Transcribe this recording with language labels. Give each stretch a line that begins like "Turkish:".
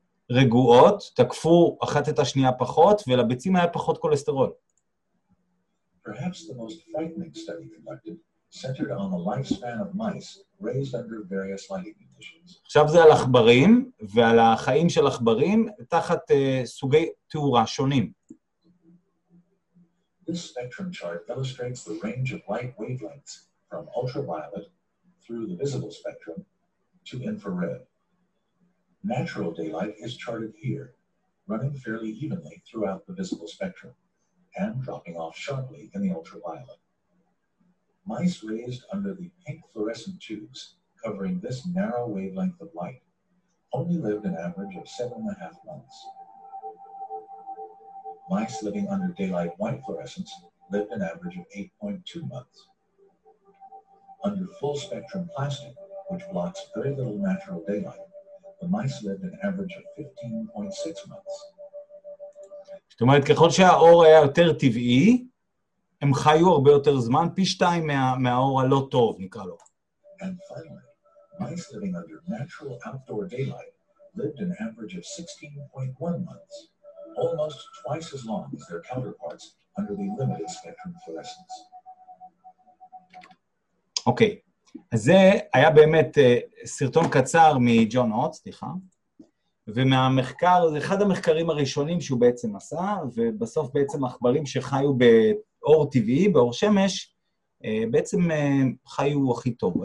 Hebrew: רגועות, תקפו אחת את השנייה פחות, ולביצים היה פחות קולסטרול.
English: Perhaps the most frightening study conducted centered on the lifespan of mice raised under various lighting conditions.
Hebrew: עכשיו זה על עכברים ועל החיים של עכברים תחת סוגי תאורה שונים.
English: This spectrum chart illustrates the range of light wavelengths from ultraviolet through the visible spectrum to infrared. Natural daylight is charted here, running fairly evenly throughout the visible spectrum. And dropping off sharply in the ultraviolet. Mice raised under the pink fluorescent tubes covering this narrow wavelength of light only lived an average of 7.5 months. Mice living under daylight white fluorescence lived an average of 8.2 months. Under full spectrum plastic, which blocks very little natural daylight, the mice lived an average of 15.6 months.
Hebrew: זאת אומרת, ככל שהאור היה יותר טבעי, הם חיו הרבה יותר זמן, פי שתיים מהאור הלא טוב, נקרא לו.
English: And finally, mice living under natural outdoor daylight lived an average of 16.1 months, almost twice as long as their counterparts under the limited spectrum fluorescence.
Hebrew: אוקיי, אז זה היה באמת סרטון קצר מג'ון אוט, סליחה. ומהמחקר, זה אחד המחקרים הראשונים שהוא בעצם עשה, ובסוף בעצם עכברים שחיו באור טבעי, באור שמש, בעצם חיו הכי טוב.